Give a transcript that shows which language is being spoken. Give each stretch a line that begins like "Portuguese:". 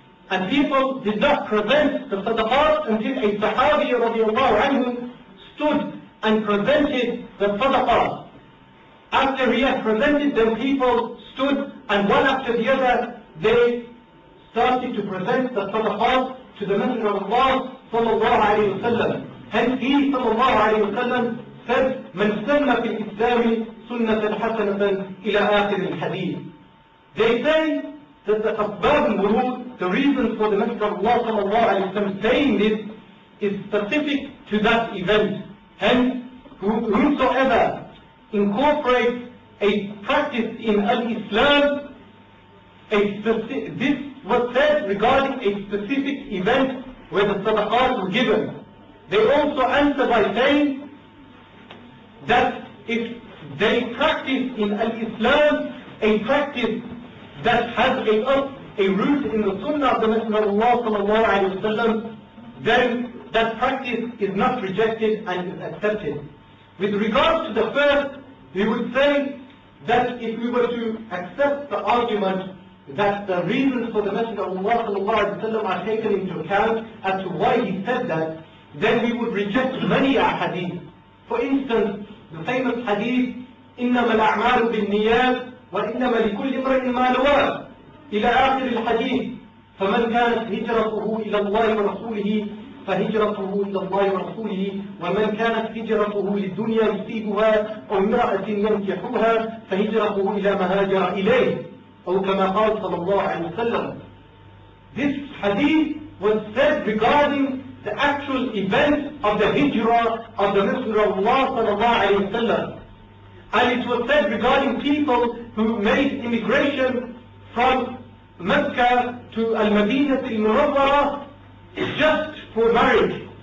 English: And people did not present the sadaqat until a sahabi radiallahu anhu stood and presented the sadaqat. After he had presented them, people stood and one after the other, they started to present the sadaqat to the Messenger of Allah sallallahu alayhi wa sallam. Hence he sallallahu alayhi wa sallam said,
Arabic: من سنة في الإسلام سنة حسنة إلى آخر الحديث.
English: They say that the
Arabic: أسباب الورود,
English: the reason for the Messenger of Allah sallallahu alayhi wa sallam saying this is specific to that event. Hence, whosoever incorporates a practice in al-Islam, this was said regarding a specific event where the sadaqat were given. They also answer by saying that if they practice in al-Islam a practice that has a root in the sunnah of the Messenger of Allah sallallahu alayhi wa sallam, then that practice is not rejected and is accepted. With regard to the first, we would say that if we were to accept the argument that the reasons for the Messenger of Allah sallallahu alayhi wa sallam are taken into account as to why he said that, then we would reject many ahadith. For instance, the famous hadith,
Arabic: إِنَّمَا الْأَعْمَالُ بِالنِّيَاتِ وَإِنَّمَا لِكُلِّ امْرِئٍ مَا نَوَى إِلَى آخِرِ الْحَدِيثِ فَمَنْ كَانَتْ هِجْرَتُهُ إِلَى اللَّهِ وَرَسُولِهِ فهجرته إلى الله ورسوله ومن كانت هجرته للدنيا يصيبها أو امرأة ينكحها فهجرته إلى ما هاجر إليه أو كما قال صلى الله عليه وسلم.
English: This hadith was said regarding the actual event of the hijrah of the Messenger of Allah
Arabic: صلى الله عليه وسلم.
English: And it was said regarding people who made immigration from Mecca to المدينة المنورة just for marriage.